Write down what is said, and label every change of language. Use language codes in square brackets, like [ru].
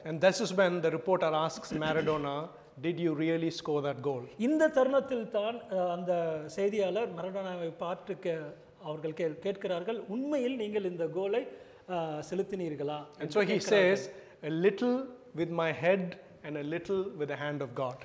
[en] And this is when the reporter asks Maradona, did you really score that goal? [ta] இந்த தருணத்தில் தான் அந்த செய்தியாளர் மாரடோனாவை பார்த்து அவர்கள் கேட்கிறார்கள், உண்மையில் நீங்கள் இந்த கோலை செலுத்தினீர்களா? [en] And so he says, a little with my head and a little with the hand of God.